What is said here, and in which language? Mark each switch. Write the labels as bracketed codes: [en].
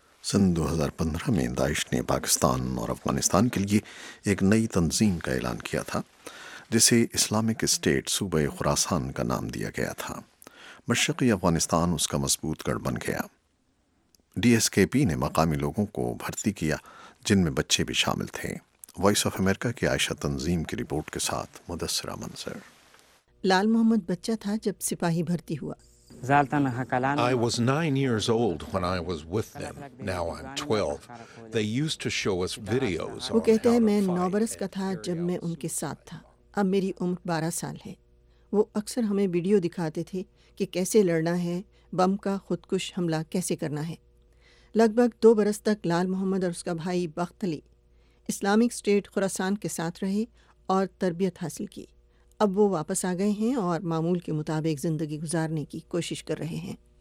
[ur] سن 2015 میں داعش نے پاکستان اور افغانستان کے لیے ایک نئی تنظیم کا اعلان کیا تھا جسے اسلامک اسٹیٹ صوبہ خراسان کا نام دیا گیا تھا۔ مشرقی افغانستان اس کا مضبوط گڑھ بن گیا۔ DSKP نے مقامی لوگوں کو بھرتی کیا جن میں بچے بھی شامل تھے۔ وائس آف امریکہ کی عائشہ تنظیم کی رپورٹ کے ساتھ مدثرہ منظر۔ لال محمد بچہ تھا جب سپاہی بھرتی ہوا۔ [en] I was 9 years old when I was with them. Now I'm 12. They used to show us videos. [ur] وہ کہتے ہیں میں 9 برس کا تھا جب میں ان کے ساتھ تھا، اب میری عمر 12 سال ہے۔ وہ اکثر ہمیں ویڈیو دکھاتے تھے کہ کیسے لڑنا ہے، بم کا خودکش حملہ کیسے کرنا ہے۔ لگ بھگ 2 برس تک لال محمد اور اس کا بھائی بخت علی اسلامک اسٹیٹ خراسان کے ساتھ رہے اور تربیت حاصل کی۔ اب وہ واپس آ گئے ہیں اور معمول کے مطابق زندگی گزارنے کی کوشش کر رہے ہیں۔